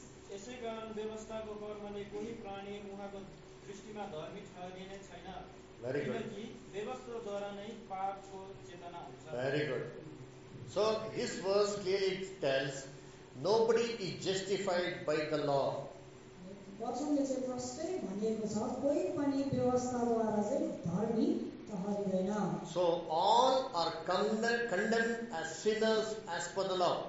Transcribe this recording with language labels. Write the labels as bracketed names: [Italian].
[Nepali] यसै कारण व्यवस्थाको कर्मले कुनै प्राणी उहाँको दृष्टिमा धर्मी ठहरिने छैन, किनकि व्यवस्थाद्वारा नै पापको चेतना हुन्छ. [English] Very good. So this verse clearly tells nobody is justified by the law. [Nepali] वचनले चाहिँ प्रष्टै भनिएको छ, कोही पनि व्यवस्थाद्वारा चाहिँ धर्मी ठहरिँदैन। [English] So all are condemned as sinners as per the law.